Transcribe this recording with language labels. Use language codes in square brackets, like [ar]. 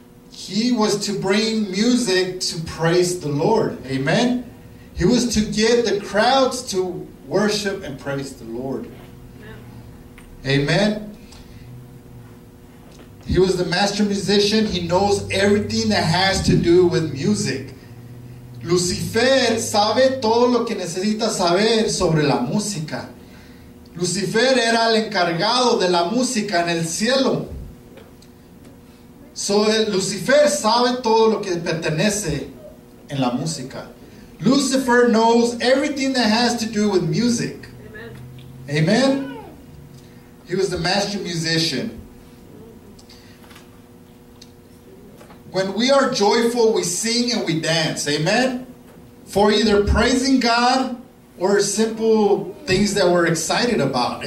[en] He was to bring music to praise the Lord. Amen? He was to get the crowds to worship and praise the Lord. Amen? He was the master musician. He knows everything that has to do with music. [es] Lucifer sabe todo lo que necesita saber sobre la música. Lucifer era el encargado de la música en el cielo. So Lucifer sabe todo lo que pertenece en la música. [en] Lucifer knows everything that has to do with music. Amen. Amen. He was the master musician. When we are joyful, we sing and we dance. Amen? For either praising God or simple things that we're excited about.